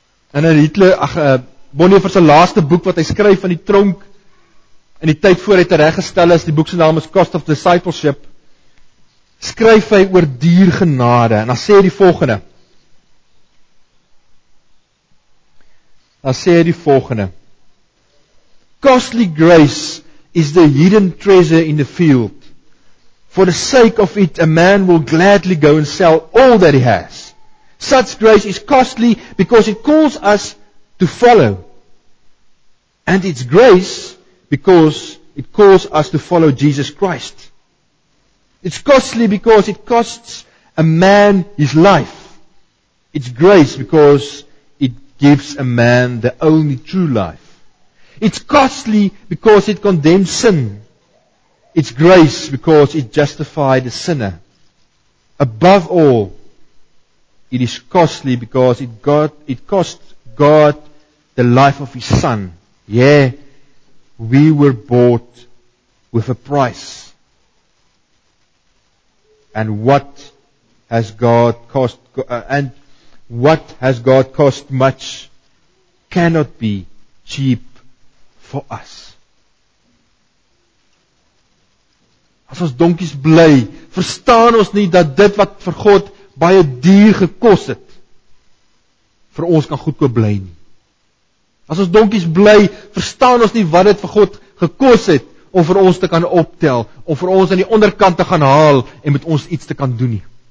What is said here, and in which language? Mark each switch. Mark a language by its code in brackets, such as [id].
[af] En in Hitler, Bonhoeffer se laaste boek wat hy skryf van die tronk, in die tyd voor hy tereggestel is, die boek se naam is Cost of Discipleship, skryf hy oor duur genade, en dan sê hy die volgende, [en] Costly grace is the hidden treasure in the field. For the sake of it, a man will gladly go and sell all that he has. Such grace is costly because it calls us to follow. And it's grace because it calls us to follow Jesus Christ. It's costly because it costs a man his life. It's grace because it gives a man the only true life. It's costly because it condemns sin. It's grace because it justifies the sinner. Above all, it is costly because it cost God the life of his son. Yeah, we were bought with a price. And what has God cost much cannot be cheap. [af] Vir ons. As ons donkies bly, verstaan ons nie dat dit wat vir God baie duur gekos het, vir ons kan goedkoop bly nie. As ons donkies bly, verstaan ons nie wat dit vir God gekos het, om vir ons te kan optel, om vir ons aan die onderkant te gaan haal, en met ons iets te kan doen nie.